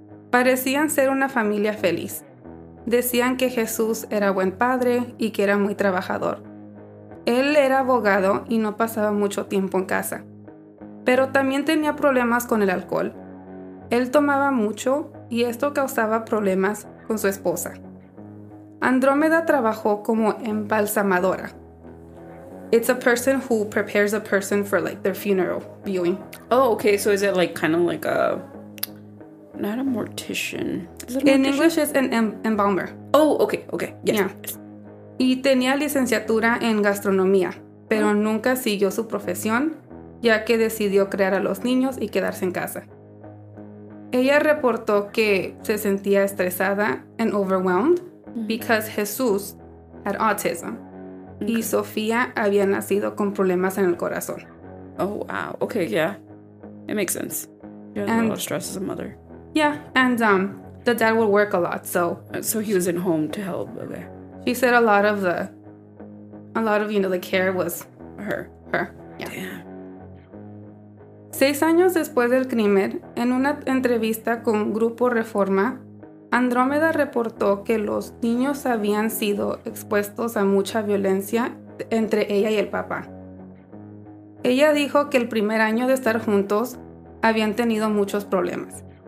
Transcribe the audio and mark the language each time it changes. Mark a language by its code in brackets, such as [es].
[es] Parecían ser una familia feliz. Decían que Jesús era buen padre y que era muy trabajador. Él era abogado y no pasaba mucho tiempo en casa. Pero también tenía problemas con el alcohol. Él tomaba mucho y esto causaba problemas con su esposa. Andrómeda trabajó como embalsamadora. [en] It's a person who prepares a person for like their funeral viewing. Oh, okay. So is it like kind of like a, not a mortician. Is it a mortician? In English, it's an embalmer. Oh, okay. Okay. Yes. Yeah. [es] Y tenía licenciatura en gastronomía, pero nunca siguió su profesión, ya que decidió crear a los niños y quedarse en casa. Ella reportó que se sentía estresada [en] and overwhelmed because Jesús had autism. Okay. [es] Y Sofía había nacido con problemas en el corazón. [en] Oh, wow. Okay, yeah. It makes sense. You had a lot of stress as a mother. Yeah, and the dad would work a lot, so. So he was at home to help, okay. She said a lot of the care was her. Her, yeah. Damn. [es] 6 años después del crimen, en una entrevista con Grupo Reforma, Andrómeda reportó que los niños habían sido expuestos a mucha violencia entre ella y el papá. Ella dijo que el primer año de estar juntos habían tenido muchos problemas.